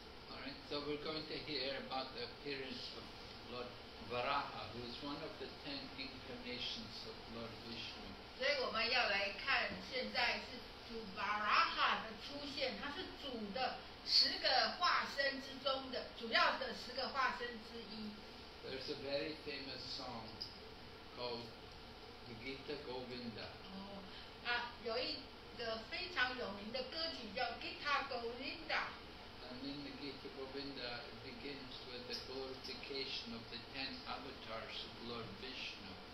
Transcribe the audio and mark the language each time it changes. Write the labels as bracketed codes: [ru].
[en] All right, so we're going to hear about the appearance of Lord Varaha, who is one of the 10 incarnations of Lord Vishnu. [zh] 所以我们要来看，现在是主 Varaha 的出现，他是主的10个化身之中的主要的10个化身之一。 [en] There's a very famous song called the Gita Govinda. [zh] 有一个非常有名的歌曲叫 Gita Govinda. [en] And in the Gita Govinda, it begins with the glorification of the 10 avatars of Lord Vishnu.